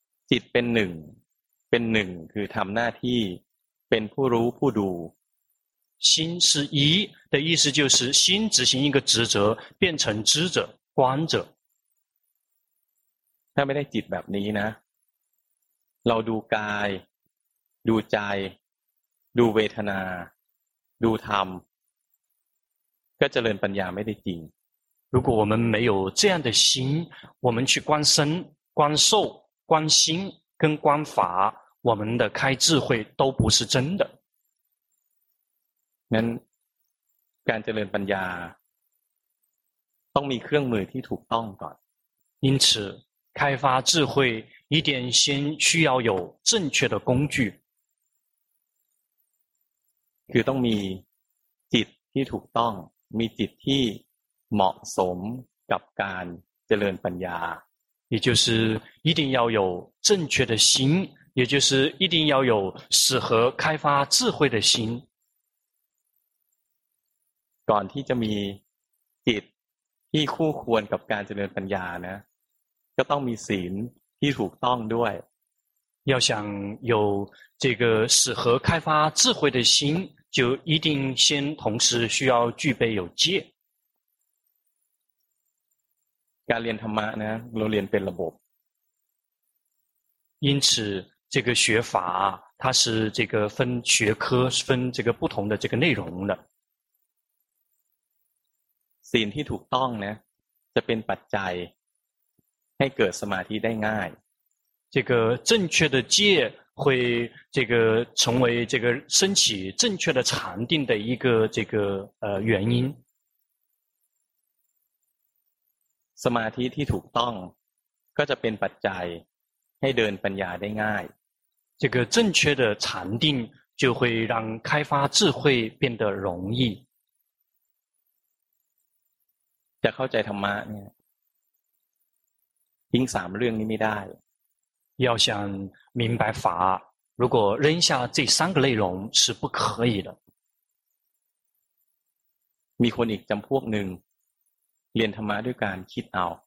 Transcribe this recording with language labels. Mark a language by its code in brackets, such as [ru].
[th] จิตเป็นหนึ่งเป็นหนึ่งคือทำหน้าที่เป็นผู้รู้ผู้ดู [zh] 心是一的意思就是心执行一个职责变成知者观者 [th] ถ้าไม่ได้จิตแบบนี้นะเราดูกายดูใจดูเวทนาดูธรรมก็เจริญปัญญาไม่ได้จริง [zh] 如果我们没有这样的心我们去观身观受观心跟观法我们的开智慧都不是真的 [th] นั้นการเจริญปัญญาต้องมีเครื่องมือที่ถูกต้องก่อน [zh] 因此开发智慧一定先需要有正确的工具 [th] คือต้องมีจิตที่ถูกต้องมีจิตที่เหมาะสมกับการเจริญปัญญา [zh] 也就是一定要有正确的心也就是一定要有适合开发智慧的心 [th] ก่อนที่จะมีจิตที่คู่ควรกับการเจริญปัญญานะก็ต้องมีศีลที่ถูกต้องด้วย [zh] 要想有这个适合开发智慧的心就一定先同时需要具备有戒 [th] การเรียนธรรมะนะเราเรียนเป็นระบบ [zh] 因此这个学法它是这个分学科分这个不同的这个内容的 [th] ศีลที่ถูกต้องนะจะเป็นปัจจัยให้เกิดสมาธิได้ง่าย [zh] 这个正确的戒会这个成为这个升起正确的禅定的一个这个原因 [th] สมาธิที่ถูกต้องก็จะเป็นปัจจัยให้เดินปัญญาได้ง่าย [zh] 这个正确的禅定就会让开发智慧变得容易 [th] จะเข้าใจธรรมะเนี่ยทิ้งสามเรื่องนี้ไม่ได้ [zh] 要想明白法如果扔下这三个内容是不可以的 [th] มีคนอีกจำพวกหนึ่งเรียนธรรมะด้วยการคิดเอา